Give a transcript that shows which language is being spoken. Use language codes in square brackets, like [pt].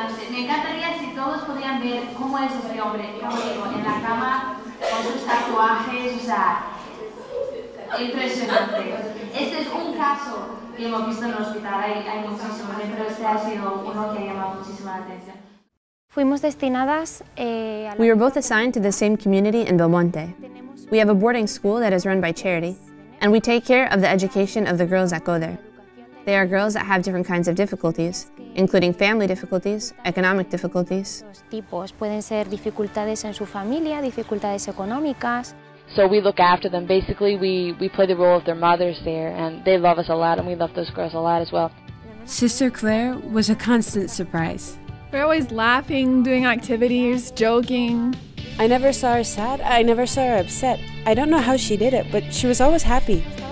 [es] Me encantaría si todos podían ver cómo es este hombre, como digo, en la cama, con sus tatuajes, o sea, impresionante. Este es un caso que hemos visto en el hospital, hay muchísimos, pero este ha sido uno que ha llamado muchísima atención. Fuimos destinadas a... [en] We were both assigned to the same community in Belmonte. We have a boarding school that is run by charity, and we take care of the education of the girls that go there. They are girls that have different kinds of difficulties, including family difficulties, economic difficulties. [es] Tipos pueden ser dificultades en su familia, dificultades económicas. [en] So we look after them. Basically, we play the role of their mothers there, and they love us a lot, and we love those girls a lot as well. Sister Clare was a constant surprise. We're always laughing, doing activities, joking. I never saw her sad. I never saw her upset. I don't know how she did it, but she was always happy.